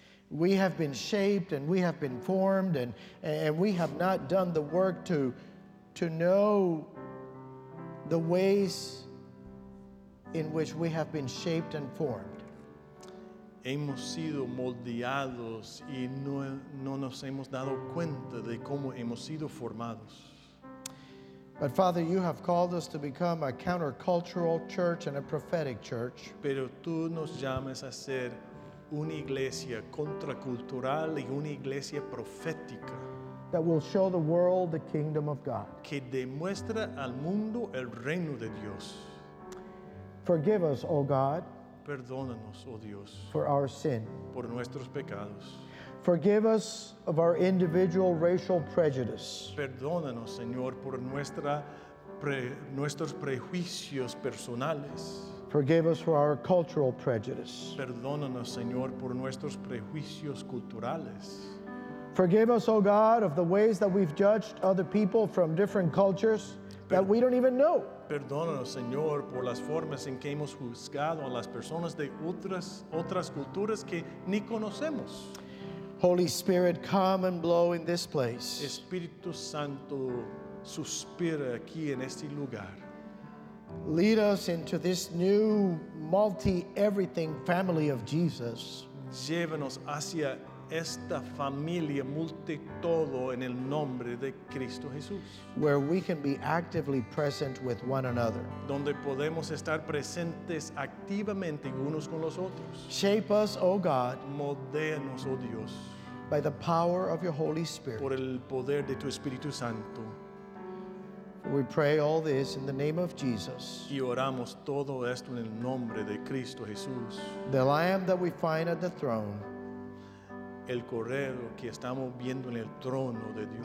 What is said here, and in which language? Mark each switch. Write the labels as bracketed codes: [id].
[en] We have been shaped and we have been formed and we have not done the work to know the ways in which we have been shaped and formed. [es] Hemos sido moldeados y no nos hemos dado cuenta de cómo hemos sido formados. [en] But Father, you have called us to become a countercultural church and a prophetic church. [es] Pero tú nos llamas a ser una iglesia contracultural y una iglesia profética. [en] That will show the world the kingdom of God. [es] Que demuestra al mundo el reino de Dios. [en] Forgive us, O God. [es] Perdónanos, oh Dios. [en] For our sin. [es] Por nuestros pecados. [en] Forgive us of our individual racial prejudice. [es] Perdónanos, Señor, por nuestros prejuicios personales. [en] Forgive us for our cultural prejudice. [es] Perdónanos, Señor, por nuestros prejuicios culturales. [en] Forgive us, O God, of the ways that we've judged other people from different cultures that we don't even know. [es] Perdónanos, Señor, por las formas en que hemos juzgado a las personas de otras culturas que ni conocemos. [en] Holy Spirit, come and blow in this place. [es] Espíritu Santo, suspira aquí en este lugar. [en] Lead us into this new multi-everything family of Jesus. [es] Llévanos hacia esta familia multi todo en el nombre de Cristo Jesús. [en] Where we can be actively present with one another. [es] Donde podemos estar presentes activamente unos con los otros. [en] Shape us, oh God. [es] Modéanos, oh Dios. [en] By the power of your Holy Spirit. [es] Por el poder de tu Espíritu Santo. [en] We pray all this in the name of Jesus. [es] Y oramos todo esto en el nombre de Cristo Jesús. [en] The lamb that we find at the throne. [es] El cordero que estamos viendo en el trono de Dios.